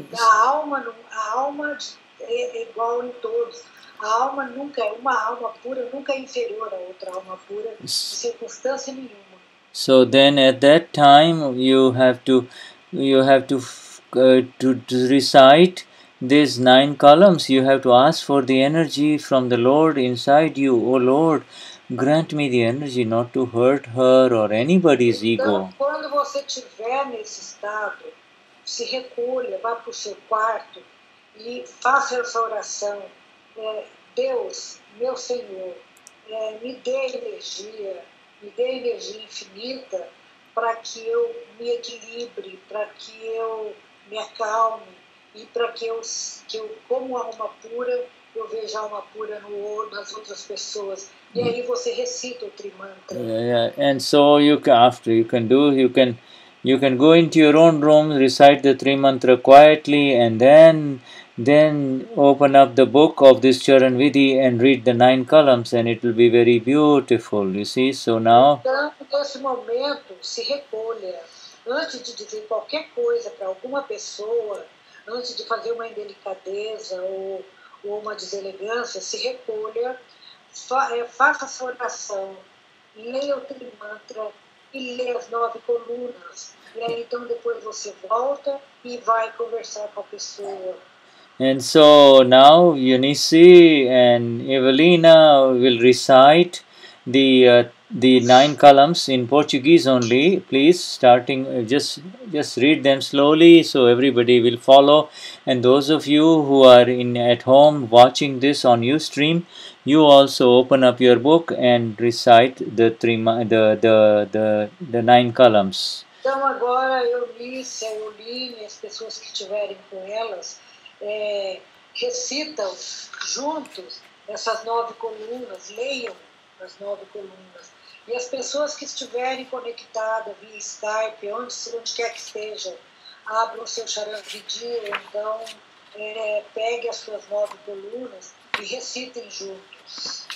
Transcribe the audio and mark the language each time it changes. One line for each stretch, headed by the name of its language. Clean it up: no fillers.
Portuguese: A alma é igual em todos. Uma alma pura nunca é inferior a outra alma pura, em circunstância nenhuma.
English: So then at that time you have to recite these nine columns. You have to ask for the energy from the Lord inside you. Oh Lord, grant me the energy not to hurt her or anybody's ego.
Portuguese: Então, quando você estiver nesse estado, se recolha, vá para o seu quarto e faça essa oração. Deus, meu Senhor, me dê energia. Me dê energia infinita para que eu me equilibre, para que eu me acalme e para que eu, como alma pura, eu vejo alma pura no outro, nas outras pessoas, e aí você recita o trimantra.
English: Yeah, and so you can, after you can do, you can go into your own room, recite the trimantra quietly, and then open up the book of this Charanvidhi and read the nine columns, and it will be very beautiful, you see. So now,
Portuguese: então, nesse momento, se recolha. Antes de dizer qualquer coisa para alguma pessoa, antes de fazer uma indelicadeza ou uma deselegância, se recolha, faça sua oração, leia o trimantra e leia as nove colunas. E aí, então, depois você volta e vai conversar com a pessoa.
English: And so now Eunice and Evelina will recite the nine columns in Portuguese only, please, starting, just read them slowly so everybody will follow. And those of you who are at home watching this on Ustream, you also open up your book and recite the nine columns.
Portuguese: Então agora Eunice, Evelina, as pessoas que estiverem com elas, recitam juntos essas nove colunas, leiam as nove colunas. E as pessoas que estiverem conectadas via Skype, onde quer que estejam, abram o seu Charanvidhi, então pegue as suas nove colunas e recitem juntos.